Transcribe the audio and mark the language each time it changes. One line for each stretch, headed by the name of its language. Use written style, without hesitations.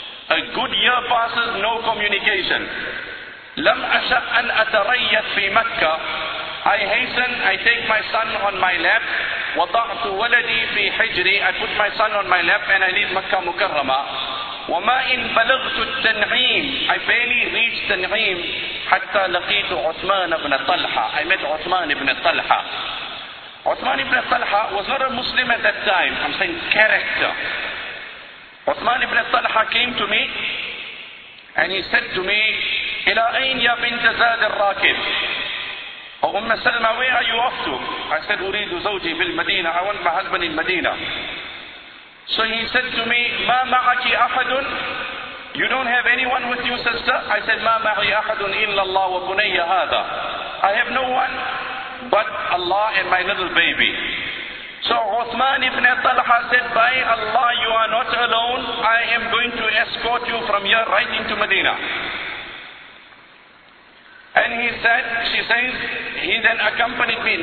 English: A good year passes, no communication.
Arabic: لم أشأ أن أتريث في مكة.
English: I hasten, I take my son on my lap.
Arabic: وضعت ولدي في حجري.
English: I put my son on my lap and I leave مكة مكرمة.
Arabic: وما إن بلغت التنعيم.
English: I barely reached تنعيم
Arabic: حتى لقيت
English: عثمان بن طلحة. I met عثمان بن طلحة. عثمان بن طلحة was not a Muslim at that time. I'm saying character. عثمان بن طلحة came to me and he said to me,
Arabic: إلى أين يا بنت زاد الراكب؟
English: أم سلمة, where are you off to? I said,
Arabic: أريد زوجي بالمدينة.
English: I want my husband in Medina. So he said to me,
Arabic: ما معك أحد؟
English: You don't have anyone with you, sister? I said,
Arabic: ما معي أحد إلا الله وبني هذا.
English: I have no one but Allah and my little baby. So Uthman ibn Talha said, by Allah, you are not alone. I am going to escort you from here right into Medina. And he said, she says, he then accompanied me.